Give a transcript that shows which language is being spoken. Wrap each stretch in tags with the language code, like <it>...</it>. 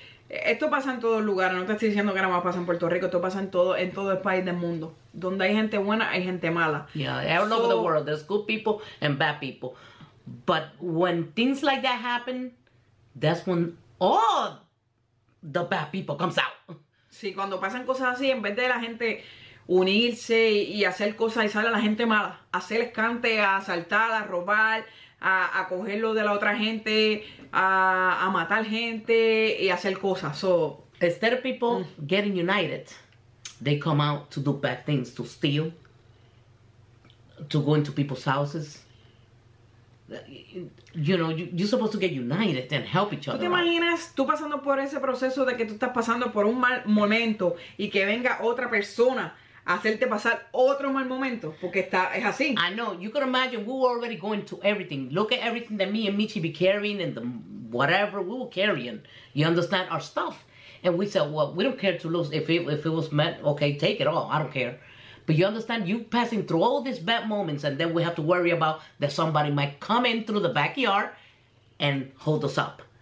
<es>Esto pasa en todos lugares. No te estoy diciendo que nada más pasa en Puerto Rico. Esto pasa en todo el país del mundo. Donde hay gente buena, hay gente mala.</es> <en>Yeah, all over the world. There's good people and bad people. But when things like that happen, that's when all the bad people comes out.</en> <es>Sí, cuando pasan cosas así, en vez de la gente unirse y hacer cosas, y sale la gente mala. A hacer escante, a asaltar, a robar, a cogerlo de la otra gente, a matar gente y hacer cosas.</es> <en>So, instead of people getting united, they come out to do bad things, to steal, to go into people's houses. You know, you're supposed to get united and help each other.</en> <es>¿Tú te imaginas tú pasando por ese proceso de que tú estás pasando por un mal momento y que venga otra persona a hacerte pasar otro mal momento? Porque es así.</es> <en>I know. You could imagine we were already going to everything. Look at everything that me and Michi be carrying and the whatever we were carrying. You understand our stuff. And we said, well, we don't care to lose. If it was meant, okay, take it all. I don't care. But you understand, you passing through all these bad moments, and then we have to worry about that somebody might come in through the backyard and hold us up.</en>